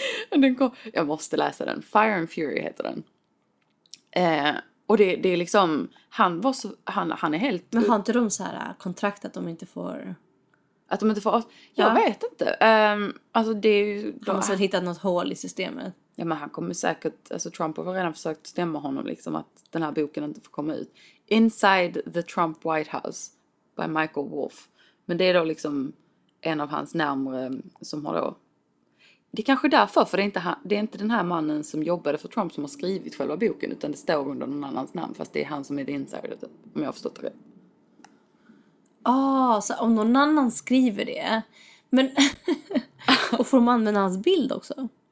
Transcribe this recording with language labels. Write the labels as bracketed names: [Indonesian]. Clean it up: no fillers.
[Swedish] Den kom... Jag måste läsa den. Fire and Fury heter den. Och det är liksom... Han var så... Han är helt... Men har inte de så här kontrakt att de inte får... Att de inte får... Jag vet inte. Alltså det är ju... De måste ha hittat något hål i systemet. Ja, men han kommer säkert... Alltså Trump har redan försökt stämma honom liksom att den här boken inte får komma ut. [English] Inside the Trump White House by Michael Wolff. [Swedish] Men det är då liksom en av hans närmare som har då... Det är kanske därför, för det är inte den här mannen som jobbade för Trump som har skrivit själva boken, utan det står under någon annans namn, fast det är han som är [English] the insider, [Swedish] om jag har förstått det. Så om någon annan skriver det, men och får de använda hans bild också?